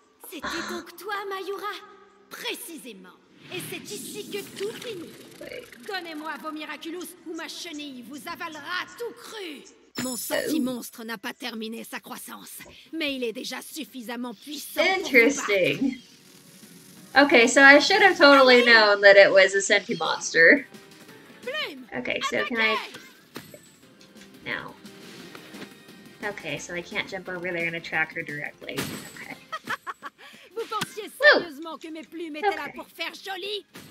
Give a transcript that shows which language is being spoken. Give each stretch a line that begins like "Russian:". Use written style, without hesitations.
French: C'était donc toi, Mayura, précisément. Et c'est ici que tout finit. Donnez-moi vos Miraculous ou ma chenille vous avalera tout cru. Mon senti-monstre n'a pas terminé sa croissance, mais il est déjà suffisamment puissant.
English: Interesting. Okay, so I should have totally known that it was a senti-monstre. Okay, so can I... No. Okay, so I can't jump over there and attract her directly. Okay.
French: Vous pensiez sérieusement que mes plumes étaient là pour faire joli?